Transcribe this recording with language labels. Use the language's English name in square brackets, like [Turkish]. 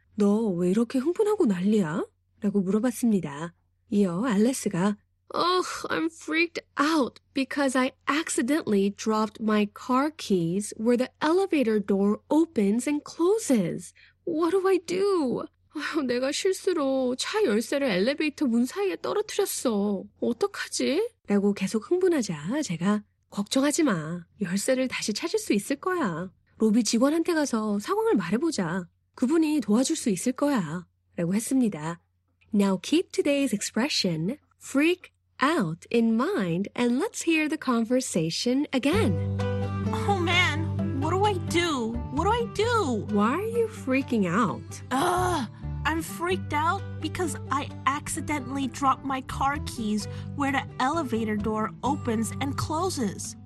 [Korean] 너 왜 이렇게 흥분하고 난리야? 라고 물어봤습니다. 이어 알리스가 [English] Oh, I'm freaked out because I accidentally dropped my car keys where the elevator door opens and closes. What do I do? [Korean] 내가 실수로 차 열쇠를 엘리베이터 문 사이에 떨어뜨렸어. 어떡하지? 라고 계속 흥분하자 제가 걱정하지 마. 열쇠를 다시 찾을 수 있을 거야. 로비 직원한테 가서 상황을 말해보자. 그분이 도와줄 수 있을 거야. 라고 했습니다. [English] Now keep today's expression, freak out, in mind, and let's hear the conversation again. Oh man, what do I do? What do I do? Why are you freaking out? I'm freaked out because I accidentally dropped my car keys where the elevator door opens and closes.